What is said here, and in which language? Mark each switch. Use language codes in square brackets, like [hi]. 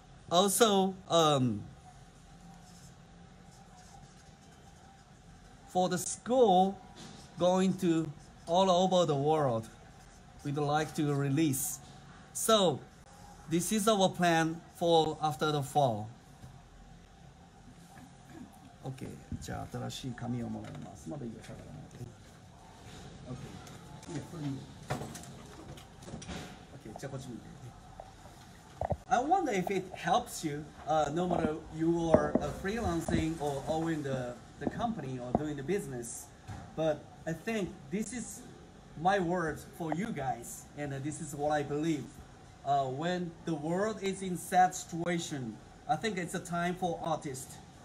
[en] Also, for the school going to all over the world, we'd like to release. So this is our plan for after the fall. [ja] OK, じゃあ新しい紙をもらいます。まだいいよ、しゃべらないで。OK、じゃあこっち向いて。 [en] I wonder if it helps you, no matter you are freelancing or owning the company or doing the business. But I think this is my word for you guys, and this is what I believe. When the world is in sad situation, I think it's a time for artists.